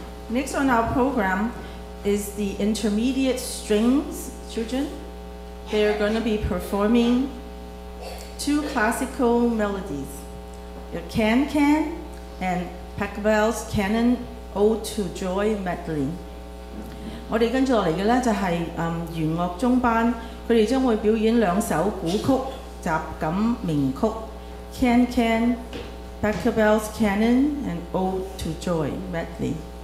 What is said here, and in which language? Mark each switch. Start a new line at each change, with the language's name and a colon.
English: Next on our program is the intermediate strings children. They're going to be performing two classical melodies, the Can Can and Pachelbel's Canon Ode to Joy Medley.
Chinese: 我們接下來的就是弦樂中班, 他們將會表演兩首古曲,雜感名曲,
English: Can Can, Pachelbel's Canon and Ode to Joy Medley.